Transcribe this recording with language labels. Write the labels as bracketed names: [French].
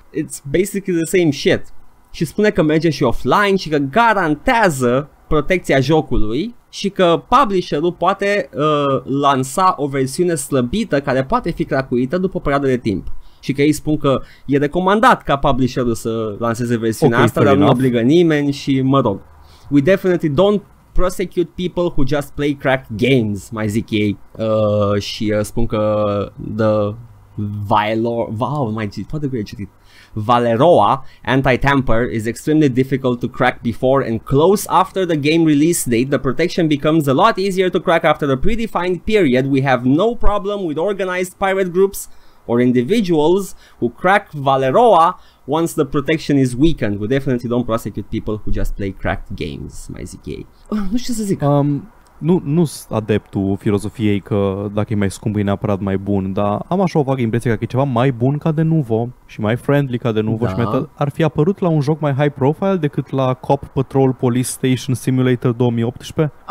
[English] It's basically the same shit. [Romanian] Și spune că merge și offline și că garantează protecția jocului și că publisherul poate lansa o versiune slăbită care poate fi cracuită după o perioadă de timp. Și că ei spun că e recomandat ca publisherul să lanseze versiunea asta, dar nu obligă nimeni și mă rog. [English] We definitely don't prosecute people who just play crack games, [Romanian] mai zic ei. Și spun că the Valor... Wow, mai zic, poate că e citit. [English] Valeroa anti-tamper is extremely difficult to crack before and close after the game release date. The protection becomes a lot easier to crack after the predefined period. We have no problem with organized pirate groups or individuals who crack Valeroa once the protection is weakened. We definitely don't prosecute people who just play cracked games, [Romanian] mai zic ei. Nu știu să zic. Nu sunt adeptul filozofiei că dacă e mai scump e neapărat mai bun, dar am așa o vagă impresie că e ceva mai bun ca de nuvo și mai friendly ca de nuvo, da. Și ar fi apărut la un joc mai high profile decât la Cop Patrol Police Station Simulator 2018?